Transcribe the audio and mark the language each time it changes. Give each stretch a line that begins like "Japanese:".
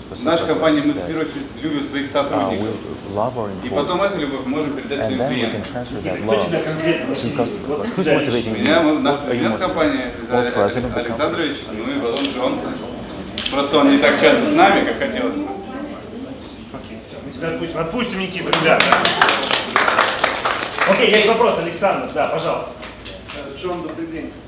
Russian: наша компания, мы, в первую очередь, любим своих сотрудников. И потом эту любовь мы можем передать своим клиентам.
English: And then we can transfer that love to customers. But who's motivating you?
Russian: Александрович, ну и потом Джон. Просто он не так часто с нами, как хотелось бы. Отпустим Никиту, ребята. Окей, есть вопрос, Александр, да, пожалуйста. Джон, добрый день.